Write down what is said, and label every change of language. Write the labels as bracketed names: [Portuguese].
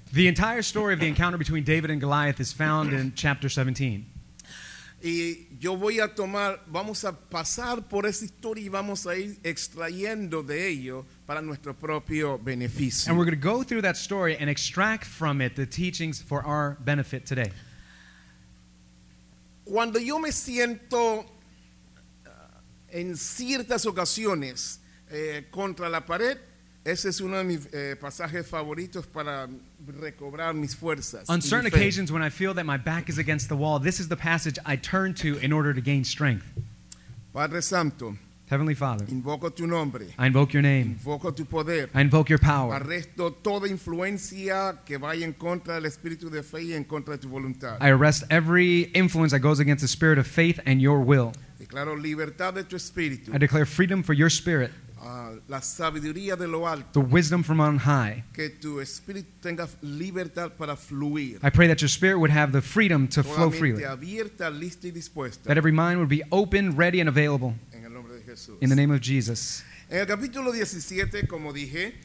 [English] The entire story of the encounter between David and Goliath is found in chapter 17. [Spanish] Y yo voy a tomar, vamos a pasar por esa historia y vamos a ir extrayendo de ello para nuestro propio beneficio. [English] And we're going to go through that story and extract from it the teachings for our benefit today. [Spanish] Cuando yo me siento en ciertas ocasiones contra la pared, ese es uno de mis pasajes favoritos para recobrar mis fuerzas. [English] On certain occasions when I feel that my back is against the wall, this is the passage I turn to in order to gain strength. [Spanish] Padre Santo, [English] Heavenly Father, [Spanish] invoco tu nombre. [English] I invoke your name. [Spanish] Invoco tu poder. [English] I invoke your power. [Spanish] Arresto toda influencia que vaya en contra del espíritu de fe y en contra de tu voluntad. [English] I arrest every influence that goes against the spirit of faith and your will. [Spanish] Declaro libertad de tu espíritu. [English] I declare freedom for your spirit. [Spanish] La sabiduría de lo alto, [English] the wisdom from on high, [Spanish] que tu espíritu tenga libertad para fluir. [English] I pray that your spirit would have the freedom to flow freely, [Spanish] abierta, lista y dispuesta. [English] That every mind would be open, ready and available, [Spanish] en el nombre de Jesús. [English] In the name of Jesus. [Spanish] En el capítulo 17, como dije,